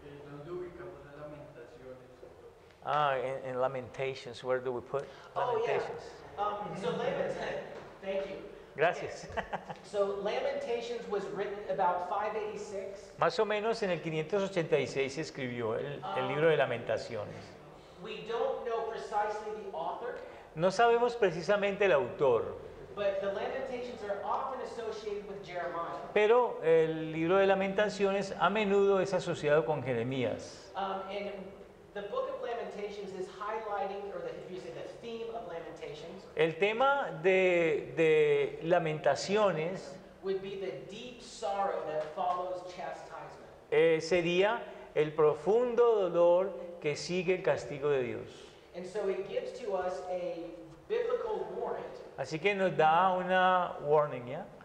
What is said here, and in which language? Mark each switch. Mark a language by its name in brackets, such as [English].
[Spanish] ¿Dónde ubicamos las lamentaciones? [English] Ah, in Lamentations, where do we put Lamentations? Oh, yeah. So Lamentations, thank you. [Spanish] Gracias. [English] Okay. So Lamentations was written about 586. [Spanish] Más o menos en el 586 se escribió el libro de Lamentaciones. [English] We don't know precisely the author. [Spanish] No sabemos precisamente el autor. [English] But the Lamentations are often associated with Jeremiah. [Spanish] Pero el libro de Lamentaciones a menudo es asociado con Jeremías. [English] And the book of Lamentations is highlighting, or the, if you say the theme of Lamentations. [Spanish] El tema de Lamentaciones [English] would be the deep sorrow that follows chastisement. [Spanish] Sería el profundo dolor que sigue el castigo de Dios. [English] And so it gives to us a biblical warrant. [Spanish] Así que nos da una warning, ¿ya?